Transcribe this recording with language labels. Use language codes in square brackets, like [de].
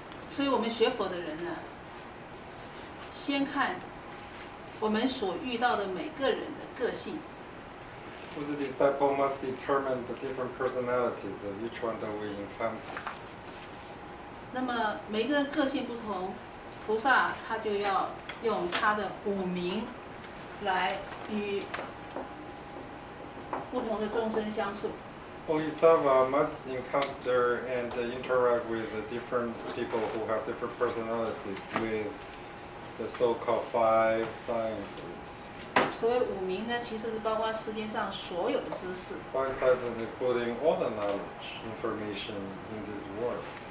[zh] 所以我们学佛的人呢，先看我们所遇到的每个人的个性。 [en] The disciple must determine the different personalities of each one that we encounter. [zh] 那么每个人个性不同，菩萨他就要用他的五明来与不同的众生相处。 [en] Bodhisattva must encounter and interact with the different people who have different personalities with the so-called five sciences. [zh] 所谓五明呢，其实是包括世间上所有的知识。 [en] Five sciences including all the knowledge information in this world.